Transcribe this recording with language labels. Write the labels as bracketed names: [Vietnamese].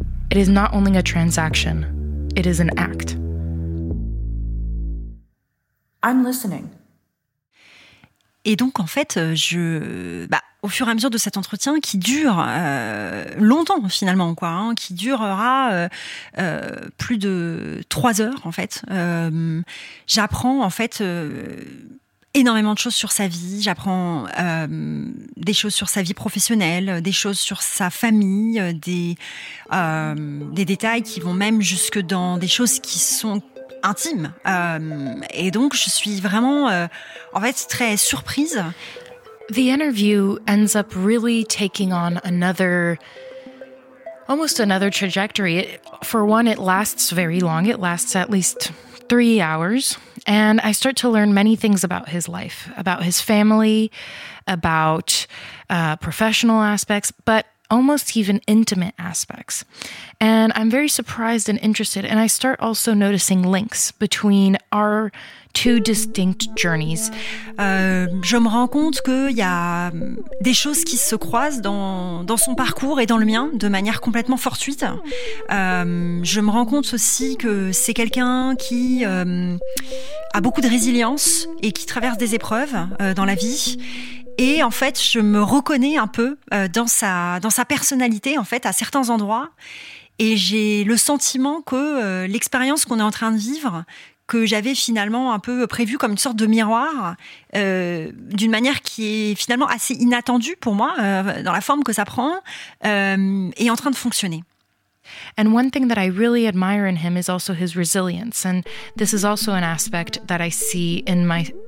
[English] It is not only a transaction, it is an act. I'm listening. [French] Et donc en fait, au fur et à mesure de cet entretien qui dure longtemps finalement quoi, hein, qui durera plus de 3 heures en fait, j'apprends en fait énormément de choses sur sa vie. J'apprends des choses sur sa vie professionnelle, des choses sur sa famille, des détails qui vont même jusque dans des choses qui sont intimes. Et donc je suis vraiment en fait très surprise. [English] The interview ends up really taking on another, almost another trajectory. It, for one, it lasts very long. It lasts at least 3 hours. And I start to learn many things about his life, about his family, about professional aspects, but almost even intimate aspects. And I'm very surprised and interested. And I start also noticing links between our two distinct journeys. [French] Je me rends compte qu'il y a des choses qui se croisent dans son parcours et dans le mien de manière complètement fortuite. Je me rends compte aussi que c'est quelqu'un qui a beaucoup de résilience et qui traverse des épreuves dans la vie. Et en fait, je me reconnais un peu dans sa personnalité, en fait, à certains endroits. Et j'ai le sentiment que l'expérience qu'on est en train de vivre, que j'avais finalement un peu prévue comme une sorte de miroir, d'une manière qui est finalement assez inattendue pour moi, dans la forme que ça prend, est en train de fonctionner. [English] And one thing that I really admire in him is also his resilience. And this is also an aspect that I see in my...